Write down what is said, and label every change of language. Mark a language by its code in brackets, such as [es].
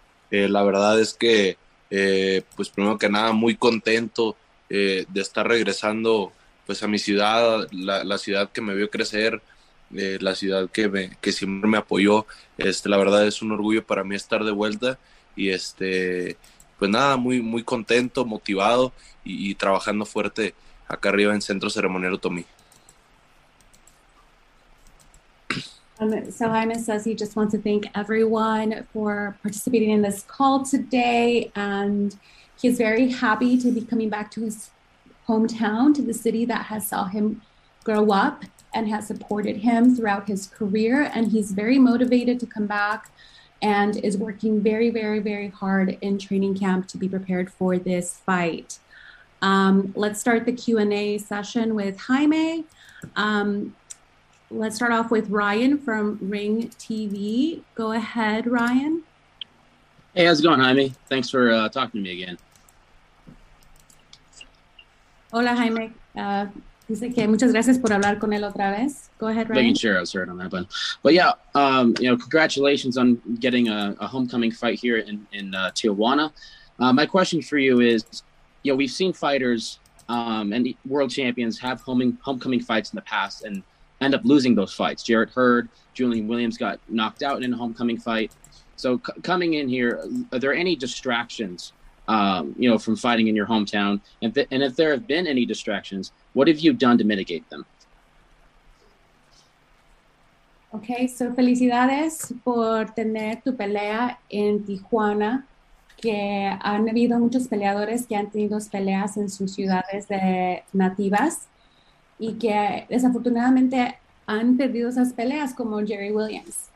[es] La verdad es que, pues primero que nada, muy contento de estar regresando pues a mi ciudad, la ciudad que me vio crecer, la ciudad que siempre me apoyó. La verdad es un orgullo para mí estar de vuelta y pues nada, muy muy contento, motivado y trabajando fuerte acá arriba en Centro Ceremonial Otomí. [en] So Jaime says he just wants to thank everyone for participating in this call today, and he's very happy to be coming back to his hometown, to the city that has saw him grow up and has supported him throughout his career. And he's very motivated to come back and is working very, very, very hard in training camp to be prepared for this fight. Let's start the Q&A session with Jaime. Let's start off with Ryan from Ring TV. Go ahead, Ryan. Hey, how's it going, Jaime? Thanks for talking to me again. [es] Hola, Jaime. Dice que muchas gracias por hablar con él otra vez. [en] Go ahead, Ryan. Making sure I was heard on that one. But yeah, congratulations on getting a homecoming fight here in Tijuana. My question for you is, we've seen fighters and world champions have homecoming fights in the past and end up losing those fights. Jarrett Hurd, Julian Williams got knocked out in a homecoming fight. So coming in here, are there any distractions from fighting in your hometown? And if there have been any distractions, what have you done to mitigate them? [es] Okay, so felicidades por tener tu pelea en Tijuana, que han habido muchos peleadores que han tenido peleas en sus ciudades de nativas y que desafortunadamente han perdido esas peleas, como Jerry Williams.